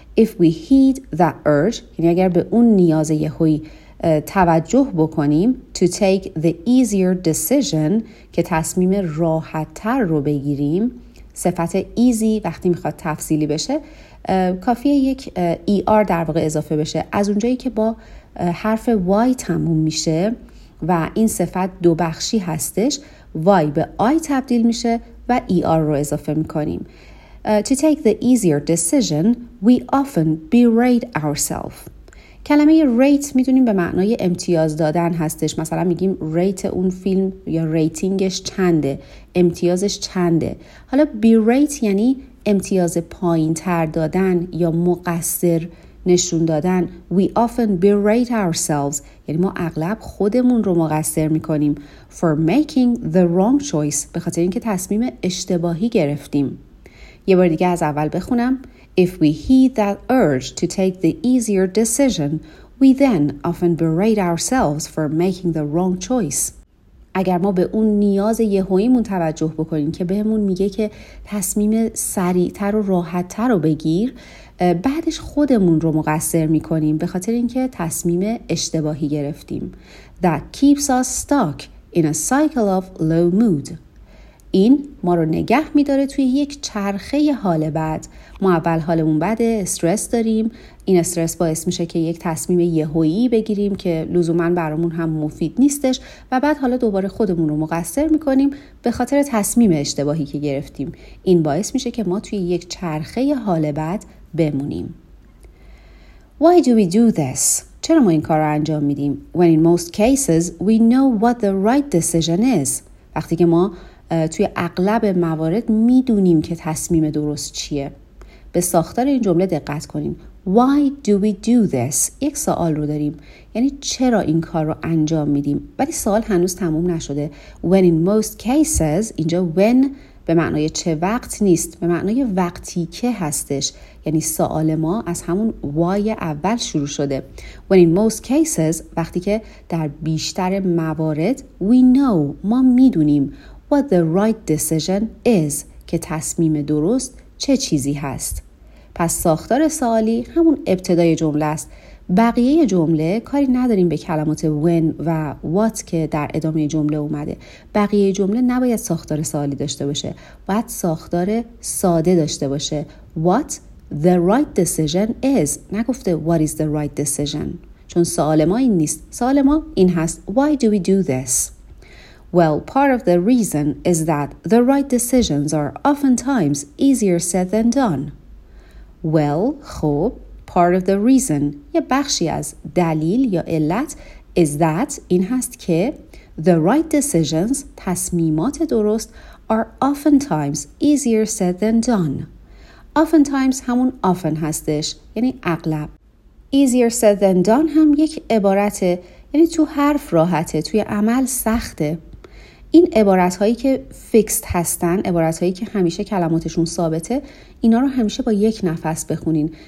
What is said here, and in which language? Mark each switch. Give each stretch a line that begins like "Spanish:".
English: If we heed that urge
Persian: یعنی اگر به اون نیاز یهویی توجه بکنیم،
English: to take the easier decision
Persian: که تصمیم راحت تر رو بگیریم، صفت easy وقتی میخواد تفصیلی بشه کافیه یک ER در واقع اضافه بشه، از اونجایی که با حرف Y تموم میشه و این صفت دو بخشی هستش، Y به I تبدیل میشه و ER رو اضافه میکنیم.
English: To take the easier decision, we often berate ourselves.
Persian: کلمه rate میتونیم به معنای امتیاز دادن هستش. مثلا میگیم rate اون فیلم یا ratingش چنده، امتیازش چنده. حالا berate یعنی امتیاز پایین تر دادن یا مقصر نشون دادن.
English: We often berate ourselves،
Persian: یعنی ما اغلب خودمون رو مقصر میکنیم
English: for making the wrong choice،
Persian: به خاطر اینکه تصمیم اشتباهی گرفتیم. یه بار دیگه از اول بخونم.
English: If we heed that urge to take the easier decision, we then often berate ourselves for making the wrong choice.
Persian: اگر ما به اون نیاز یهوییمون توجه بکنیم که بهمون میگه که تصمیم سریعتر و راحتتر رو بگیر، بعدش خودمون رو مقصر میکنیم به خاطر اینکه تصمیم اشتباهی گرفتیم.
English: That keeps us stuck in a cycle of low mood.
Persian: این ما رو نگه میداره توی یک چرخه حال بد. ما اول حالمون بده، استرس داریم. این استرس باعث میشه که یک تصمیم یهویی بگیریم که لزوماً برامون هم مفید نیستش و بعد حالا دوباره خودمون رو مقصر میکنیم به خاطر تصمیم اشتباهی که گرفتیم. این باعث میشه که ما توی یک چرخه حال بد بمونیم.
English: Why do we do this؟
Persian: چرا ما این کار رو انجام میدیم؟
English: When in most cases we know what the right decision is.
Persian: وقتی که ما توی اغلب موارد میدونیم که تصمیم درست چیه. به ساختار این جمله دقت کنین.
English: Why do we do this؟
Persian: یک سوال رو داریم، یعنی چرا این کار رو انجام میدیم، ولی سوال هنوز تموم نشده.
English: When in most cases،
Persian: اینجا when به معنای چه وقت نیست، به معنای وقتی که هستش. یعنی سوال ما از همون why اول شروع شده.
English: When in most cases،
Persian: وقتی که در بیشتر موارد، we know، ما میدونیم،
English: what the right decision is،
Persian: که تصمیم درست چه چیزی هست. پس ساختار سوالی همون ابتدای جمله است. بقیه جمله کاری نداریم به کلمات when و what که در ادامه جمله اومده. بقیه جمله نباید ساختار سوالی داشته باشه، باید ساختار ساده داشته باشه.
English: What the right decision is، نگفته what is the right decision،
Persian: چون سوال ما این نیست. سوال ما این هست،
English: why do we do this؟ Well, part of the reason is that the right decisions are oftentimes easier said than done. Well, خب, part of the reason,
Persian: یه بخشی از دلیل یا علت,
English: is that,
Persian: این هست که,
English: the right decisions,
Persian: تصمیمات درست,
English: are oftentimes easier said than done.
Persian: Oftentimes همون often هستش, یعنی اغلب. Easier said than done هم یک عبارته, یعنی تو حرف راحته, توی عمل سخته. این عبارت هایی که فیکست هستن، عبارت هایی که همیشه کلماتشون ثابته، اینا رو همیشه با یک نفس بخونین.